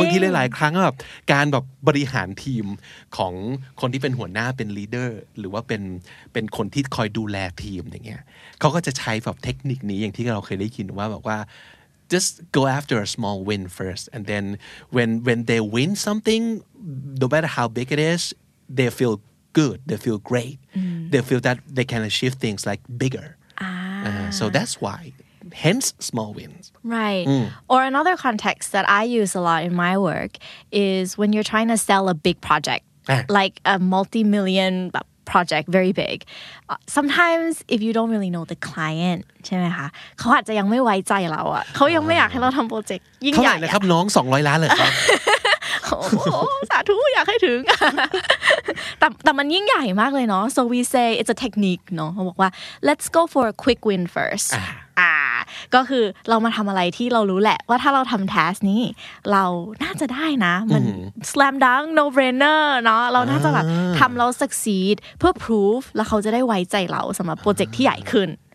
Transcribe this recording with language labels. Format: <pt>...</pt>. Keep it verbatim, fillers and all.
<th>บางทีหลายๆครั้งก็แบบการแบบบริหารทีมของคนที่เป็นหัวหน้าเป็นลีดเดอร์หรือว่าเป็นเป็นคนที่คอยดูแลทีมอย่างเงี้ยเขาก็จะใช้แบบเทคนิคนี้อย่างที่เราเคยได้ยินว่าแบบว่า</th> <en>just go after a small win first and then when when they win something no matter how big it is they feel good they feel great they feel that they can achieve things like bigger Uh, so that's why hence small wins. Right. Mm. Or another context that I use a lot in my work is when you're trying to sell a big project, ah. like a multi-million project, very big. Uh, sometimes if you don't really know the client,</en> <th>ใช่ไหมคะเขาอาจจะยังไม่ไว้ใจเราอ่ะเขายังไม่อยากให้เราทำโปรเจกต์ยิ่งใหญ่ เท่าไหร่นะครับน้องสองร้อยล้านเลยครับ โอ้สาธุอยากให้ถึง แต่แต่มันยิ่งใหญ่มากเลยเนาะ</th> <en>so we say it's a technique</en> <th>เนาะเขาบอกว่า</th> <en>let's go for a quick win first</en> <th>อ่าก็คือเรามาทำอะไรที่เรารู้แหละว่าถ้าเราทำ task นี้เราน่าจะได้นะมัน</th> <en>slam dunk no brainer</en> <th>เนาะเราน่าจะแบบทำแล้ว succeed เพื่อ prove แล้วเขาจะได้ไว้ใจเราสำหรับโปรเจกต์ที่ใหญ่ขึ้น</th>